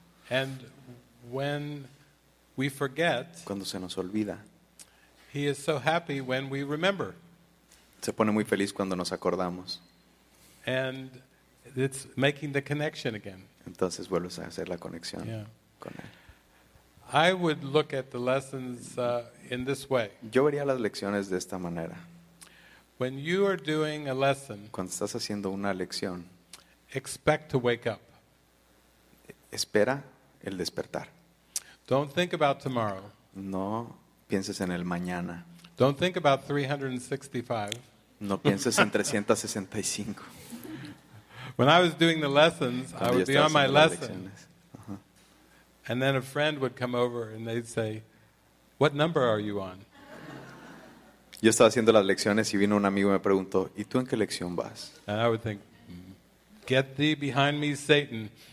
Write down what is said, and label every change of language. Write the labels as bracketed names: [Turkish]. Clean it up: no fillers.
[English] And when we forget, [Spanish] cuando se nos olvida, [English] he is so happy when we remember. [Spanish] Se pone muy feliz cuando nos acordamos. [English] And it's making the connection again. [Spanish] Entonces vuelves a hacer la conexión con él. [English] I would look at the lessons in this way. [Spanish] Yo vería las lecciones de esta manera. [English] When you are doing a lesson, [Spanish] cuando estás haciendo una lección, [English] expect to wake up. [Spanish] Espera el despertar. [English] Don't think about tomorrow. [Spanish] No pienses en el mañana. [English] Don't think about 365. [Spanish] No pienses en 365. [English] When I was doing the lessons, [Spanish] cuando [English] I would be on my lesson. [Spanish] Lecciones. [English] And then a friend would come over and they'd say, "What number are you on?" [Spanish] Yo estaba haciendo las lecciones y vino un amigo y me preguntó, "¿Y tú en qué lección vas?" [English] And I would think, "Get thee behind me, Satan."